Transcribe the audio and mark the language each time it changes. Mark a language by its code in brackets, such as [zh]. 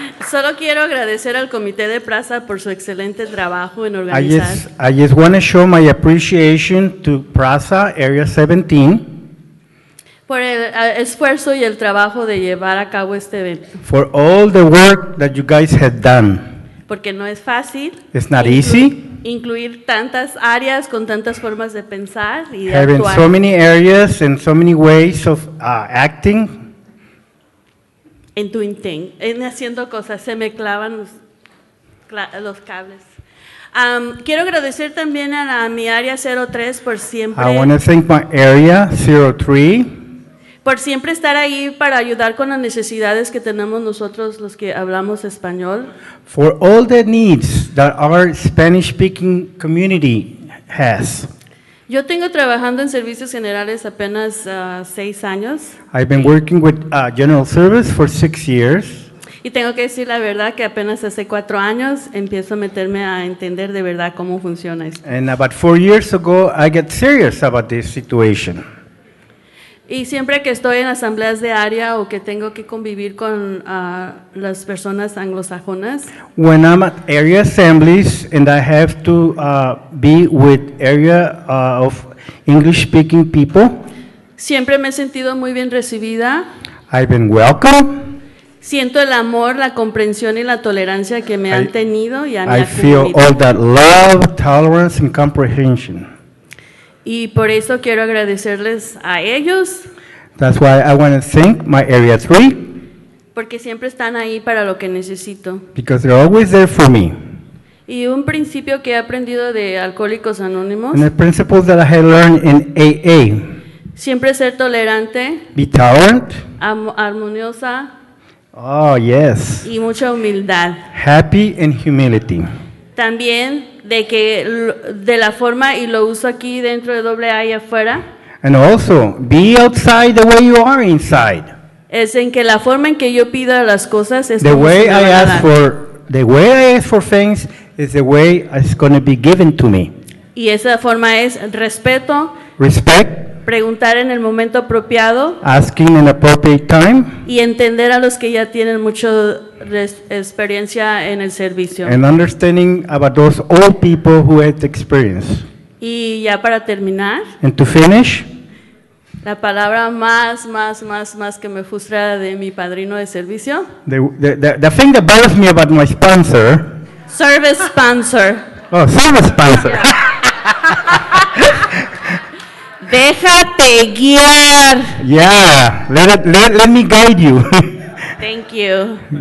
[es] Solo quiero agradecer al Comité de PRASA por su excelente trabajo en organizar. [en] I just want to show my appreciation to PRASA Area 17. [es] Por el esfuerzo y el trabajo de llevar a cabo este evento. [en] For all the work that you guys had done. [es] Porque no es fácil. [en] It's not easy. [es] Incluir tantas áreas con tantas formas de pensar y de actuar. [en] So many areas and so many ways of acting. [es] En [en] doing things, [es] en haciendo cosas, se me clavan los cables. Quiero agradecer también a mi área 03 por siempre. [en] I want to thank my area 03. [es] Por siempre estar ahí para ayudar con las necesidades que tenemos nosotros los que hablamos español. [en] For all the needs that our Spanish-speaking community has. [es] Yo tengo trabajando en servicios generales apenas 6 años. [en] I've been working with General Service for 6 years. [es] Y tengo que decir la verdad que apenas hace 4 años empiezo a meterme a entender de verdad cómo funciona esto. [en] And about 4 years ago, I get serious about this situation. [es] Y siempre que estoy en asambleas de área o que tengo que convivir con las personas anglosajonas. [en] When I'm at area assemblies and I have to be with area of English speaking people. [es] Siempre me he sentido muy bien recibida. [en] I've been welcome. [es] Siento el amor, la comprensión y la tolerancia que me han tenido y han acogido. [en] I feel all that love, tolerance and comprehension. [es] Y por eso quiero agradecerles a ellos. [en] That's why I want to thank my Area 3. [es] Porque siempre están ahí para lo que necesito. [en] Because they're always there for me. [es] Y un principio que he aprendido de Alcohólicos Anónimos. [en] And the principles that I have learned in AA. [es] Siempre ser tolerante. [en] Be tolerant. [es] Armoniosa. [en] Oh, yes. [es] Y mucha humildad. [en] Happy and humility. [es] También de que de la forma y lo uso aquí dentro de AA y afuera. [en] And also, be outside the way you are inside. [es] Es en que la forma en que yo pido las cosas es [en] the way I ask for, the way I ask for things is the way it's going to be given to me. [es] Y esa forma es respeto. [en] Respect. [es] Preguntar en el momento apropiado. [en] Asking in appropriate time. [es] Y entender a los que ya tienen mucho experiencia en el servicio. [en] And understanding about those old people who had experience. [es] Y ya para terminar. [en] And to finish. [es] La palabra más que me frustra de mi padrino de servicio. [en] The thing that bothers me about my sponsor. Service sponsor. Oh, service sponsor. [es] Déjate guiar. [en] Yeah, let me guide you. Thank you.